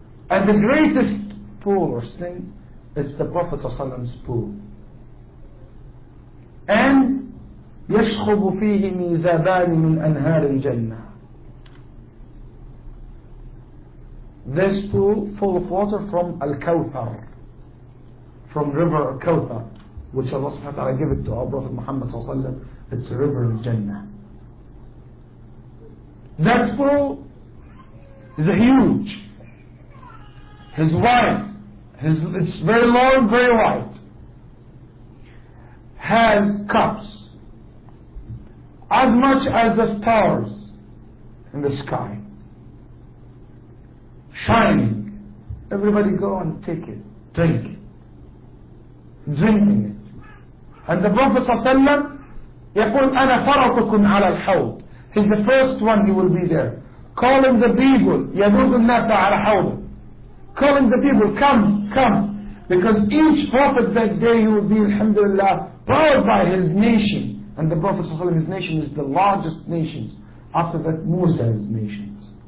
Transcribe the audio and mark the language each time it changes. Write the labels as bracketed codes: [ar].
[en] And the greatest pool or sink is the Prophet's pool. [ar] And يَشْخُبُ فِيهِ مِيزَابَانِ مِنْ أَنْهَارِ الْجَنَّةِ. [en] This pool full of water from Al-Kawthar, from River Al-Kawthar, which Allah subhanahu wa ta'ala gave it to our Prophet Muhammad sallallahu alayhi wa sallam. It's a river of Jannah. That pool is huge. It's wide. It's very long, very wide. Has cups as much as the stars in the sky, shining. Everybody go and take it, drink it, drinking it. And the Prophet ﷺ [ar] يقول أنا فرطكم على الحوض. [en] He's the first one who will be there, calling the people [ar] يدوز الناس على حوض, [en] calling the people, come, come, because each prophet that day he will be, alhamdulillah, proud by his nation. And the Prophet ﷺ, his nation is the largest nations after that Musa's nations.